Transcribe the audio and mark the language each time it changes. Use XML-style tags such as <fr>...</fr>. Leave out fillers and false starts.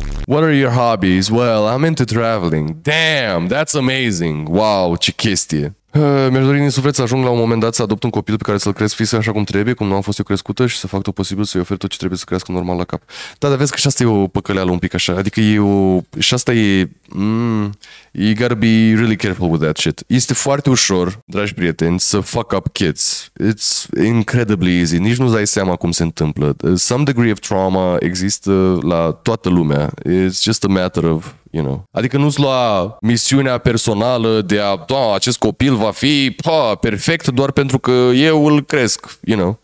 <en>What are your hobbies? Well, I'm into traveling. Damn, that's amazing.</en> <ro>Wow, ce chestie. Mi-aș dori din suflet să ajung la un moment dat să adopt un copil pe care să-l cresc fix așa cum trebuie, cum nu am fost eu crescută, și să fac tot posibil să-i ofer tot ce trebuie să crească normal la cap. Da, dar vezi că și asta e o păcăleală un pic așa. Adică e o... Și asta e...</ro> <en>You gotta be really careful with that shit.</en> <ro>Este foarte ușor, dragi prieteni, să</ro> <en>fuck up kids. It's incredibly easy.</en> <ro>Nici nu-ți dai seama cum se întâmplă.</ro> <en>Some degree of trauma</en> <ro>există la toată lumea.</ro> <en>It's just a matter of, you know.</en> <ro>Adică nu-ți lua misiunea personală de a, da, acest copil va fi perfect doar pentru că eu îl cresc, you know.</ro>